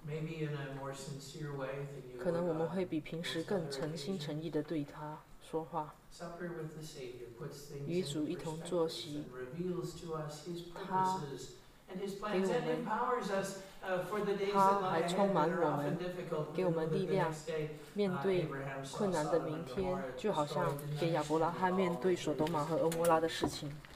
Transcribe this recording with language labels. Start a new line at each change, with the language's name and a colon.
English: Maybe in a more sincere way than you.
Chinese: 可能我们会比平时更诚心诚意地对他说话。
English: Supper with the Savior puts things in
Chinese: perspective. 与主一同坐席。
English: Reveals to us His purposes and His plans and empowers us. For the days
Chinese: 他还充满我们，给我们力量，面对困难的明天，就好像给亚伯拉罕面对索多玛和俄摩拉的事情。